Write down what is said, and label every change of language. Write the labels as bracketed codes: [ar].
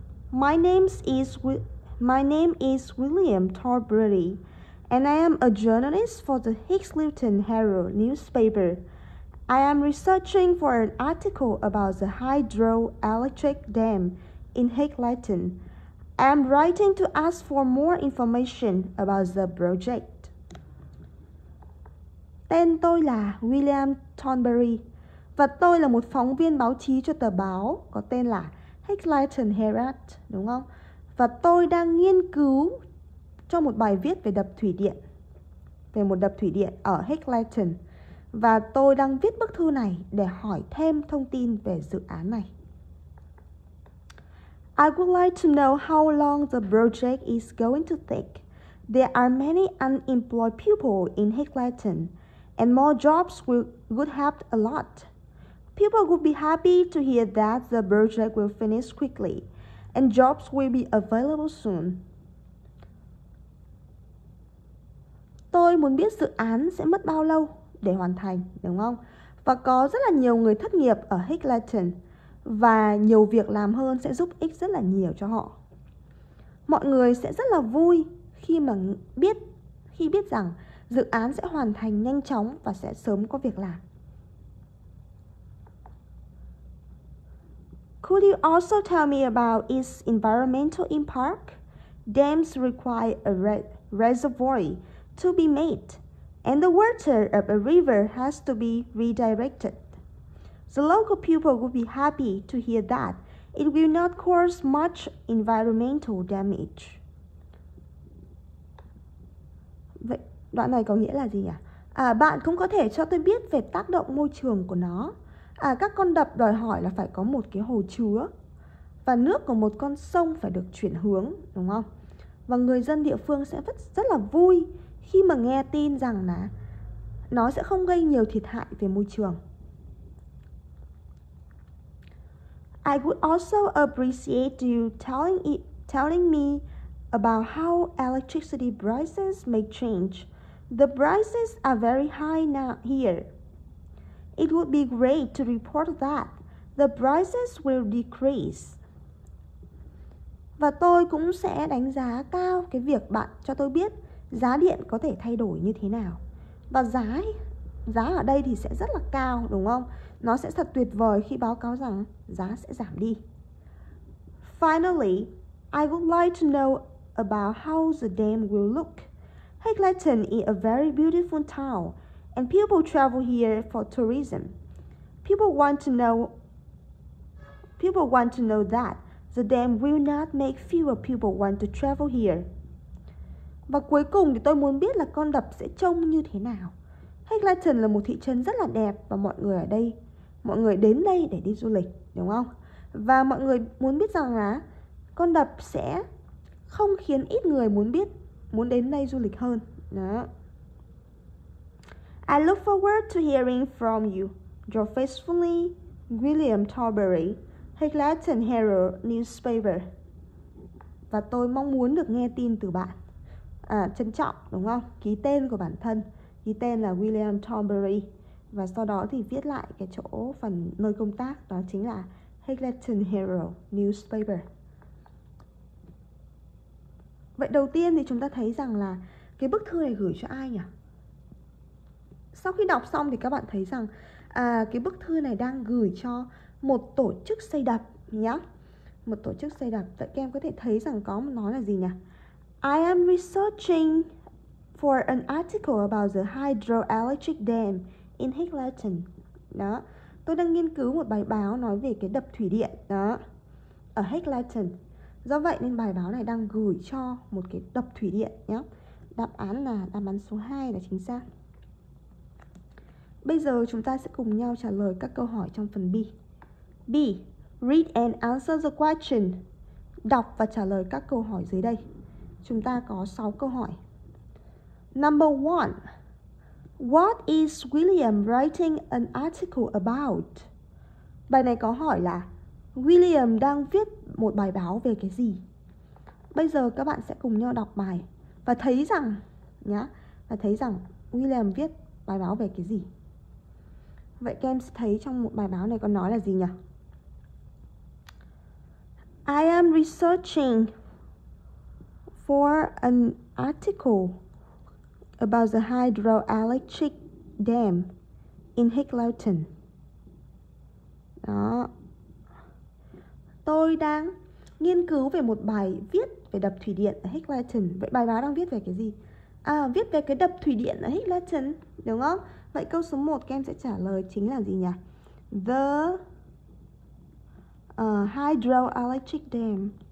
[en] My name is William Torbury, and I am a journalist for the Hickleton Herald newspaper. I am researching for an article about the hydroelectric dam in Hickleton. I am writing to ask for more information about the project. [vi] Tên tôi là William Torbury, và tôi là một phóng viên báo chí cho tờ báo có tên là Hickleton Herald, đúng không? Và tôi đang nghiên cứu cho một bài viết về đập thủy điện, về một đập thủy điện ở Hickleton. Và tôi đang viết bức thư này để hỏi thêm thông tin về dự án này. [en] I would like to know how long the project is going to take. There are many unemployed people in Hickleton, and more jobs would help a lot. People would be happy to hear that the project will finish quickly. And jobs will be available soon. [vi] Tôi muốn biết dự án sẽ mất bao lâu để hoàn thành, đúng không? Và có rất là nhiều người thất nghiệp ở Hickleton và nhiều việc làm hơn sẽ giúp ích rất là nhiều cho họ. Mọi người sẽ rất là vui khi biết rằng dự án sẽ hoàn thành nhanh chóng và sẽ sớm có việc làm. [en] Could you also tell me about its environmental impact? Dams require a reservoir to be made, and the water of a river has to be redirected. The local people would be happy to hear that it will not cause much environmental damage. [vi] Vậy đoạn này có nghĩa là gì nhỉ? Bạn cũng có thể cho tôi biết về tác động môi trường của nó. Các con đập đòi hỏi là phải có một cái hồ chứa và nước của một con sông phải được chuyển hướng, đúng không? Và người dân địa phương sẽ rất là vui khi mà nghe tin rằng là nó sẽ không gây nhiều thiệt hại về môi trường. [en] I would also appreciate you telling me about how electricity prices may change. The prices are very high now here. It would be great to report that the prices will decrease. [vi] Và tôi cũng sẽ đánh giá cao cái việc bạn cho tôi biết giá điện có thể thay đổi như thế nào. Và giá ở đây thì sẽ rất là cao, đúng không? Nó sẽ thật tuyệt vời khi báo cáo rằng giá sẽ giảm đi. [en] Finally, I would like to know about how the dam will look. Hickleton is a very beautiful town. And people travel here for tourism. People want to know that the dam will not make fewer people want to travel here. [vi] Và cuối cùng thì tôi muốn biết là con đập sẽ trông như thế nào. Hecklaton là một thị trấn rất là đẹp và mọi người ở đây, mọi người đến đây để đi du lịch, đúng không? Và mọi người muốn biết rằng là con đập sẽ không khiến ít người muốn biết, muốn đến đây du lịch hơn. Đó. [en] I look forward to hearing from you. Your faithfully, William Torbury, Hecklaton Herald Newspaper. [vi] Và tôi mong muốn được nghe tin từ bạn. À, trân trọng, đúng không? Ký tên của bản thân. Ký tên là William Torbury. Và sau đó thì viết lại cái chỗ phần nơi công tác, đó chính là Hecklaton Herald Newspaper. Vậy đầu tiên thì chúng ta thấy rằng là cái bức thư này gửi cho ai nhỉ? Sau khi đọc xong thì các bạn thấy rằng cái bức thư này đang gửi cho một tổ chức xây đập nhá. Một tổ chức xây đập. Các em có thể thấy rằng có nói là gì nhỉ? [en] I am researching for an article about the hydroelectric dam in Hecklaton. [vi] Đó. Tôi đang nghiên cứu một bài báo nói về cái đập thủy điện đó ở Hecklaton. Do vậy nên bài báo này đang gửi cho một cái đập thủy điện nhá. Đáp án là đáp án số 2 là chính xác. Bây giờ chúng ta sẽ cùng nhau trả lời các câu hỏi trong phần B. [en] B. Read and answer the question. [vi] Đọc và trả lời các câu hỏi dưới đây. Chúng ta có 6 câu hỏi. [en] Number 1. What is William writing an article about? [vi] Bài này có hỏi là William đang viết một bài báo về cái gì? Bây giờ các bạn sẽ cùng nhau đọc bài và thấy rằng nhá, và thấy rằng William viết bài báo về cái gì? Vậy các em thấy trong một bài báo này có nói là gì nhỉ? [en] I am researching for an article about the hydroelectric dam in Hecklaton. [vi] Đó. Tôi đang nghiên cứu về một bài viết về đập thủy điện ở Hecklaton. Vậy bài báo đang viết về cái gì? À, viết về cái đập thủy điện ở Hecklaton, đúng không? Vậy câu số 1 các em sẽ trả lời chính là gì nhỉ? [en] The hydroelectric dam.